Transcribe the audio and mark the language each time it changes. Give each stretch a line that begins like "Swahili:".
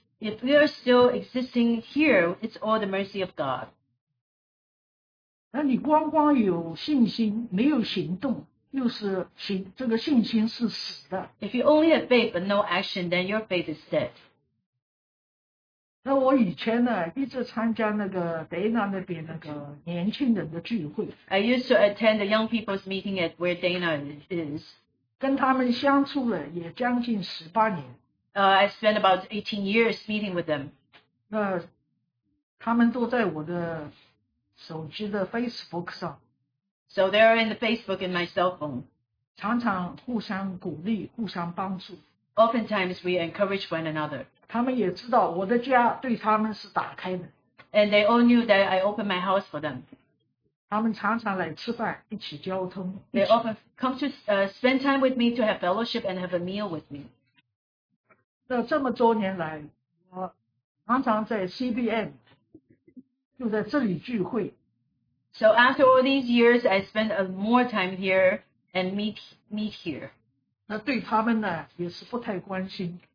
English: If we are still existing here, it's all the mercy of God.
Chinese: 那你光光有信心，没有行动，又是信，这个信心是死的。
English: If you only have faith but no action, then your faith is dead.
Chinese: 那我以前呢，一直参加那个Dana那边那个年轻人的聚会。
English: I used to attend the young people's meeting at where Dana is.
Chinese: 跟他们相处了也将近18年。
English: I spent about 18 years meeting with them.
Chinese: 那他们都在我的 手机的Facebook上,
English: so they are in the Facebook in my cell phone.
Chinese: 常常互相鼓励,
English: oftentimes we encourage one another.
Chinese: 他们也知道我的家对他们是打开的,
English: and they all knew that I opened my house for them.
Chinese: 他们常常来吃饭, 一起交通,
English: they often come to spend time with me to have fellowship and have a meal with me.
Chinese: 那这么多年来, 我常常在CBN, 就在这里聚会。
English: So after all these years, I spent more time here and meet here.
Chinese: 那对他们呢, 也是不太关心。